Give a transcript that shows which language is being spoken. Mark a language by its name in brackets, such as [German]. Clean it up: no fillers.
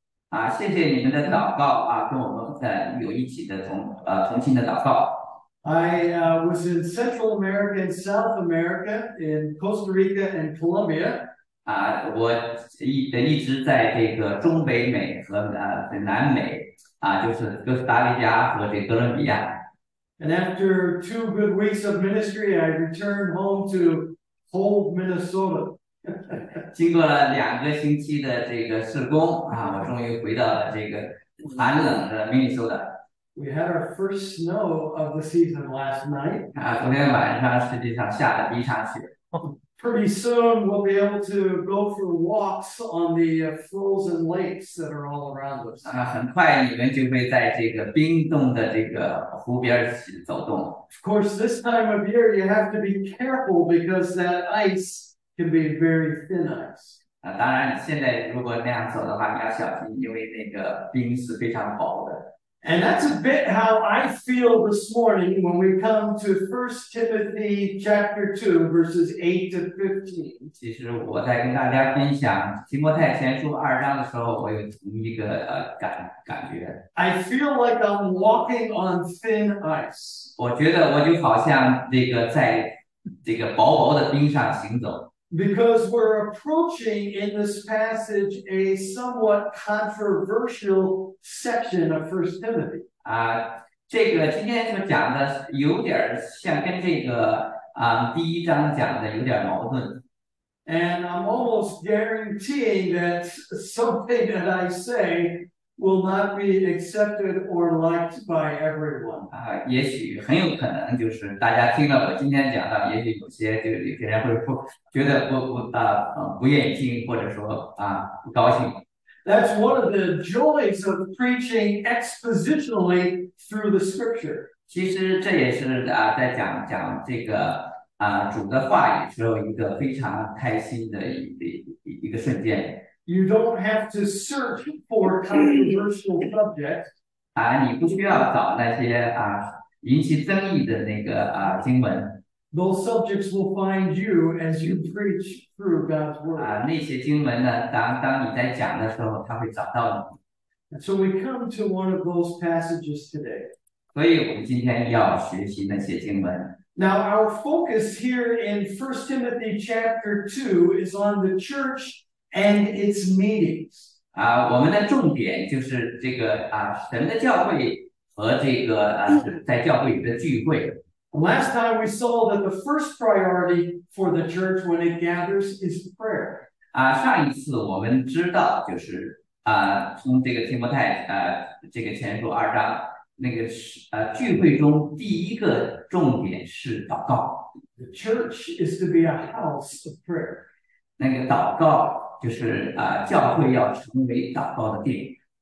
[Chinese] 啊，谢谢你们的祷告啊，跟我们有一起的同心的祷告。 [English] I was in Central America and South America, in Costa Rica and Colombia. [Chinese] 啊，我一直在这个中北美和南美啊，就是哥斯达黎加和这哥伦比亚。 [English] And after 2 good weeks of ministry, I returned home to cold Minnesota. [Chinese] 经过了2个星期的这个试工啊，我终于回到了这个寒冷的明尼苏达。 [English] We had our first snow of the season last night. [Chinese] 啊，昨天晚上实际上下了第一场雪。 [English] Pretty soon we'll be able to go for walks on the frozen lakes that are all around us. [Chinese] 啊，很快你们就会在这个冰冻的这个湖边走动。 [English] Of course, this time of year you have to be careful because that ice can be very thin ice. [Chinese] 啊，当然，现在如果那样走的话，你要小心，因为那个冰是非常薄的。 [English] And that's a bit how I feel this morning when we come to 1 Timothy chapter 2, verses 8 to 15. [Chinese] 其实我在跟大家分享提摩太前书2章的时候，我有一个感觉， [English] I feel like I'm walking on thin ice. [Chinese] 我觉得我就好像那个在这个薄薄的冰上行走。 [English] Because we're approaching in this passage a somewhat controversial section of 1 Timothy. [Chinese] 啊，这个今天所讲的有点像跟这个第一章讲的有点矛盾。 [English] And I'm almost guaranteeing that something that I say will not be accepted or liked by everyone. [Chinese] 啊，也许很有可能就是大家听了我今天讲到，也许有些人会不觉得不愿意听，或者说不高兴。 [English] That's one of the joys of preaching expositionally through the scripture. [Chinese] 其实这也是在讲这个主的话语时候一个非常开心的一个瞬间。 [English] You don't have to search for controversial subjects. [Chinese] 你不需要找那些引起争议的那个经文。 [English] Those subjects will find you as you preach through God's word. [Chinese] 那些经文呢，当你在讲的时候，他会找到你。 [English] And so we come to one of those passages today. [Chinese] 所以我们今天要学习那些经文。 [English] Now, our focus here in 1 Timothy chapter 2 is on the church and its meetings. [Chinese] 我们的重点就是这个神的教会和这个在教会里的聚会。 [English] Last time we saw that the first priority for the church when it gathers is prayer. [Chinese] 上一次我们知道就是从这个提摩太这个前书2章。那个是聚会中第一个重点是祷告， [English] The church is to be a house of prayer. [Chinese] 那个祷告就是教会要成为祷告的殿。